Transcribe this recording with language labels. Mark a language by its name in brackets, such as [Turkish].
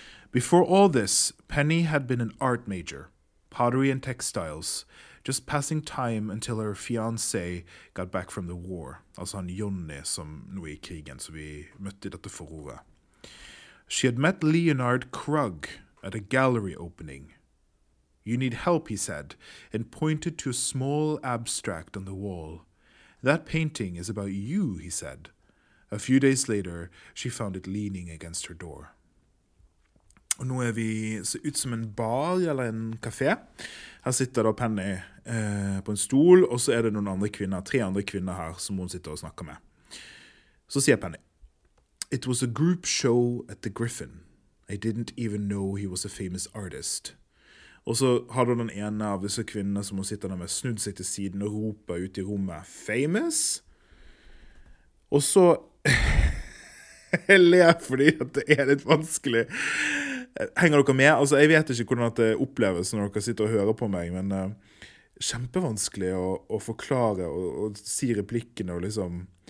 [English] Before all this, Penny had been an art major, pottery and textiles, just passing time until her fiancé got back from the war. [Norwegian] Altså han Jonny som nå I krigen, så vi møtte I dette forordet. [English] She had met Leonard Krug at a gallery opening. You need help, he said, and pointed to a small abstract on the wall. That painting is about you, he said. A few days later, she found it leaning against her door. [Norwegian] Og nå vi så ut som en bar eller en kafé. Her sitter da Penny på en stol, og så det noen andre kvinner, tre andre kvinner her, som hun sitter og snakker med. Så sier Penny, [English] it was a group show at the Griffin. I didn't even know he was a famous artist. [Norwegian] Og så har du den ene av disse kvinnene som hun sitter der med, snudd seg til siden og roper ut I rommet, [English] famous? [Norwegian] Og så, jeg ler fordi at det litt vanskelig. Henger dere med? Altså, jeg vet ikke hvordan det oppleves når dere sitter og hører på meg, men kjempevanskelig å forklare og si replikkene og liksom